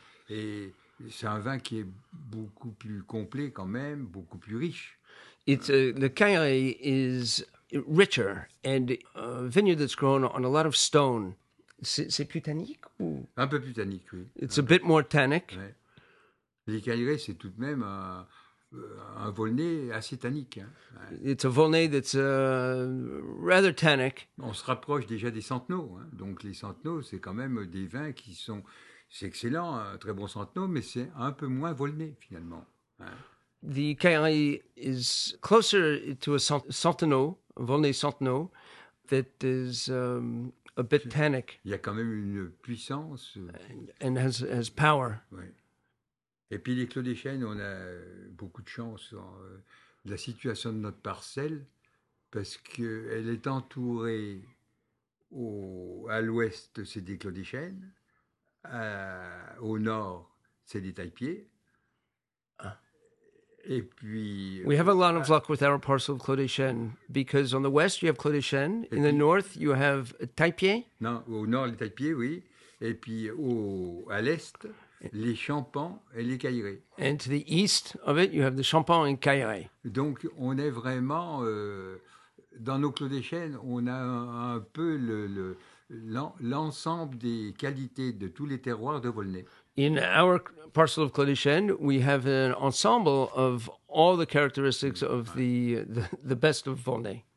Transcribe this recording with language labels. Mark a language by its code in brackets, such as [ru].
[fr] Et c'est un vin qui est beaucoup plus complet quand même, beaucoup plus riche. [en] Le Cailleret is richer and a vineyard that's grown on a lot of stone. [fr] C'est plus tannique ou? Un peu plus tannique, oui. [en] It's a bit more tannic. [fr] Ouais. Les Cailleret, c'est tout de même un Volnay assez tannique. Hein. [en] It's a Volnay that's rather tannic. [fr] On se rapproche déjà des Centenots. Hein. Donc les Centenots, c'est quand même des vins qui sont... C'est excellent, un très bon Centenot, mais c'est un peu moins Volnay, finalement. Hein. [en] The Cailleret is closer to a Centenot, a Volnay Centenot, that is a bit tannic. [fr] Il y a quand même une puissance. [en] And has power. [fr] Oui. Et puis les Clos des Chênes, on a beaucoup de chance dans la situation de notre parcelle parce qu'elle est entourée à l'ouest, c'est des Clos des Chênes, au nord, c'est des Taillepieds. Et puis. [en] We have a lot of luck with our parcel of Clos des Chênes because on the west, you have Clos des Chênes, in the north, you have Taillepieds. [fr] Non, au nord, les Taillepieds, oui. Et puis à l'est. Les Champans et les Cailleret. [en] And to the east of it, you have the Champans and Cailleret. [fr] Donc, on est vraiment, dans nos Clos des Chênes, on a un peu l'ensemble des qualités de tous les terroirs de Volnay. [en] In our parcel of Clos des Chênes, we have an ensemble of all the characteristics of the best of Volnay.